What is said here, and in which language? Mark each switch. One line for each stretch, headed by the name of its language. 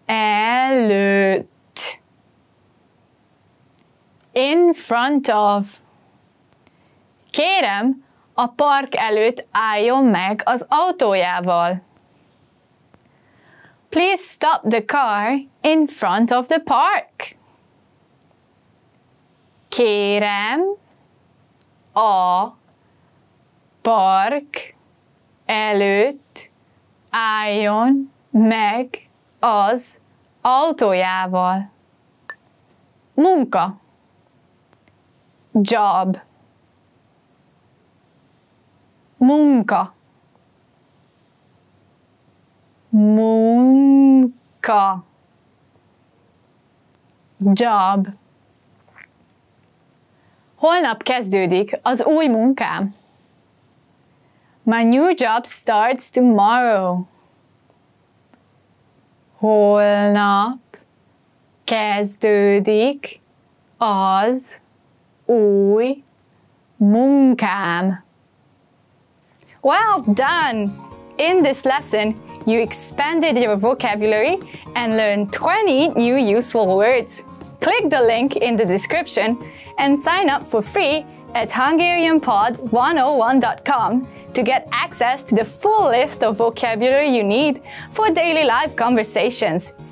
Hungarian: Előtt.
English: In front of.
Hungarian: Kérem, a park előtt álljon meg az autójával.
English: Please stop the car in front of the park.
Hungarian: Kérem, a park előtt álljon meg az autójával. Munka. Job. Munka. Munka.
English: Job.
Hungarian: Holnap kezdődik az új munkám.
English: My new job starts tomorrow.
Hungarian: Holnap kezdődik az új munkám.
English: Well done! In this lesson, you expanded your vocabulary and learned 20 new useful words. Click the link in the description and sign up for free at HungarianPod101.com to get access to the full list of vocabulary you need for daily life conversations.